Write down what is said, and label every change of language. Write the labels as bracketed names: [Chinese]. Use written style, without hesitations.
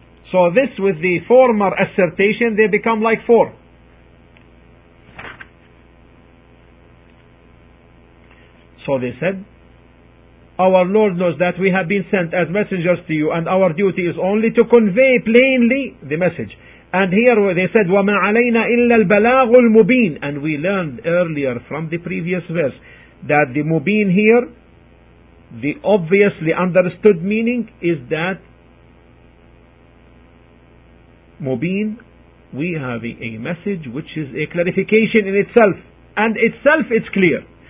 [English] So this, with the former assertion, they become like four. So they said, our Lord knows that we have been sent as messengers to you, and our duty is only to convey plainly the message. And here they said, [Arabic] وَمَا عَلَيْنَا إِلَّا الْبَلَاغُ الْمُبِينَ. [English] And we learned earlier from the previous verse that the mubin here, the obviously understood meaning is that Mubin, we have a message which is a clarification in itself, and itself it's clear.